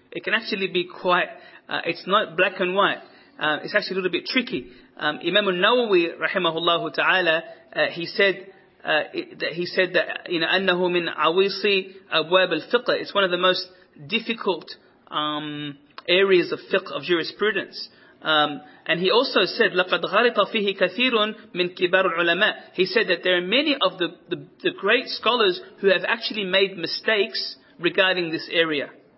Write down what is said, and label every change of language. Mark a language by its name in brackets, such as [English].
[English] It can actually be quite, it's not black and white. It's actually a little bit tricky. Imam al-Nawawi, rahimahullahu ta'ala, he said that, you know, [Arabic] أَنَّهُ مِنْ عَوِيصِ أَبْوَابِ الْفِقْهِ. [English] It's one of the most difficult areas of fiqh, of jurisprudence. And he also said, [Arabic] لَقَدْ غَرِطَ فِيهِ كَثِيرٌ مِّن كِبَارُ الْعُلَمَاءِ. [English] He said that there are many of the great scholars who have actually made mistakes regarding this area.